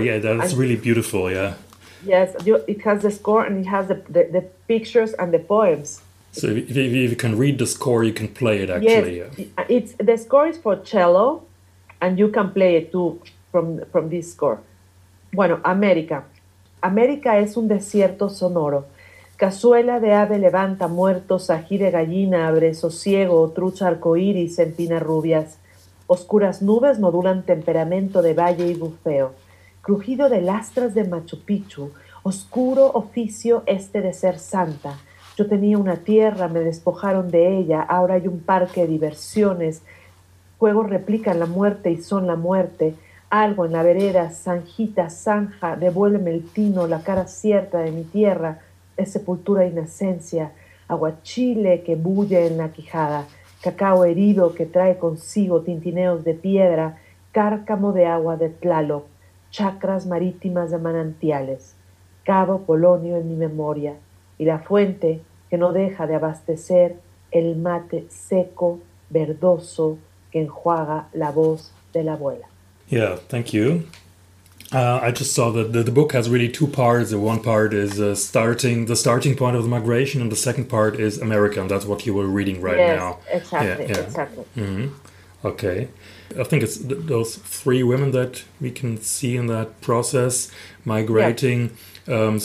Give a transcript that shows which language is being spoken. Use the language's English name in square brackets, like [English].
[English] Yeah, that's really beautiful. Yeah. Yes, it has the score and it has the pictures and the poems. So if you can read the score, you can play it actually. Yes, yeah. It's the score is for cello, and you can play it too from this score. [Spanish] Bueno, América. América es un desierto sonoro. Cazuela de ave levanta muertos, ají de gallina abre sosiego, trucha arcoíris empina rubias. Oscuras nubes modulan temperamento de valle y bufeo. Crujido de lastras de Machu Picchu, oscuro oficio este de ser santa. Yo tenía una tierra, me despojaron de ella, ahora hay un parque de diversiones. Juegos replican la muerte y son la muerte. Algo en la vereda, zanjita, zanja, devuélveme el tino, la cara cierta de mi tierra, es sepultura e inocencia, aguachile que bulle en la quijada. Cacao herido que trae consigo tintineos de piedra, cárcamo de agua de Tlaloc, chacras marítimas de manantiales, cabo polonio en mi memoria, y la fuente que no deja de abastecer el mate seco, verdoso, que enjuaga la voz de la abuela. [English] Yeah, thank you. I just saw that the book has really two parts. The one part is the starting point of the migration, and the second part is America, and that's what you were reading right yes, now. Yes, exactly, yeah, yeah. Exactly. Mm-hmm. Okay. I think it's those three women that we can see in that process migrating. Yes.